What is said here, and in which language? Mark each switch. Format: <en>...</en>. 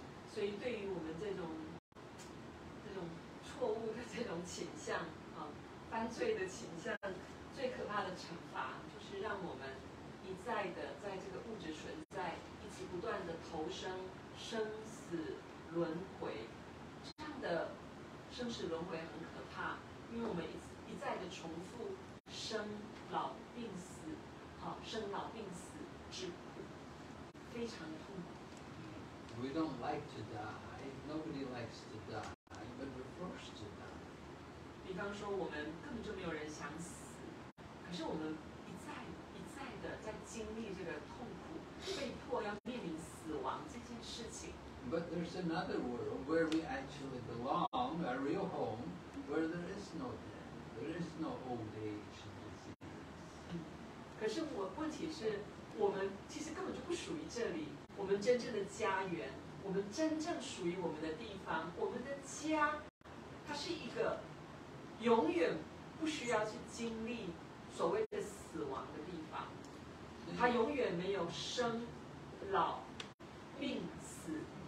<en>So, for us, this kind of wrong, this kind of tendency, this kind of sin, the most terrible punishment is to let us continually in this material existence, continually reincarnate in death and death.</en> <zh>的生死轮回很可怕，因为我们一再的重复生老病死，生老病死之苦，非常的痛苦。</zh> <en>We don't like to die. Nobody likes to die, but we're forced to die.</en> <zh>比方说，我们根本就没有人想死，可是我们一再一再的在经历这个痛苦，被迫要面临死亡这件事情。</zh> <en>But there's another world where we actually belong, a real home, where there is no death, there is no old age and disease.</en> <zh>可是问题是，我们其实根本就不属于这里，我们真正的家园，我们真正属于我们的地方，我们的家，它是一个永远不需要去经历所谓的死亡的地方，它永远没有生、老、病、死。</zh>